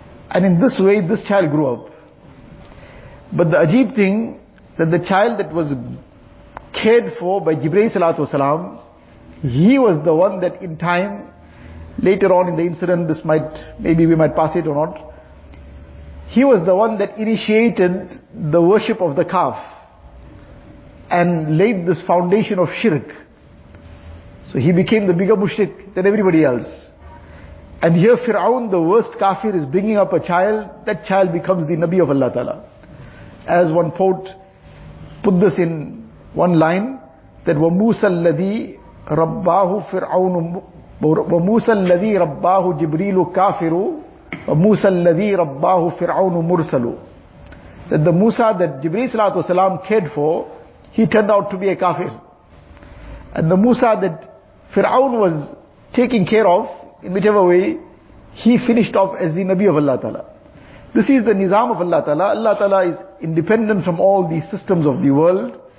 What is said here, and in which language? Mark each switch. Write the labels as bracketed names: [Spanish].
[English] And in this way, this child grew up. But the ajeeb thing, that the child that was cared for by Jibreel Salatu Wasalam, he was the one that in time, later on in the incident, this might, maybe we might pass it or not, he was the one that initiated the worship of the calf and laid this foundation of shirk. So he became the bigger mushrik than everybody else. And here Fir'aun, the worst kafir, is bringing up a child. That child becomes the Nabi of Allah Ta'ala. As one poet put this in one line, that [Arabic] وَمُوسَ الَّذِي رَبَّاهُ فِرْعَوْنُ وَمُوسَ الَّذِي رَبَّاهُ جِبْرِيلُ كَافِرُ وَمُوسَ الَّذِي رَبَّاهُ فِرْعَوْنُ مُرْسَلُ. [English] That the Musa that Jibreel salam cared for, he turned out to be a kafir. And the Musa that Fir'aun was taking care of, in whichever way, he finished off as the Nabi of Allah Ta'ala. This is the Nizam of Allah Ta'ala. Allah Ta'ala is independent from all these systems of the world.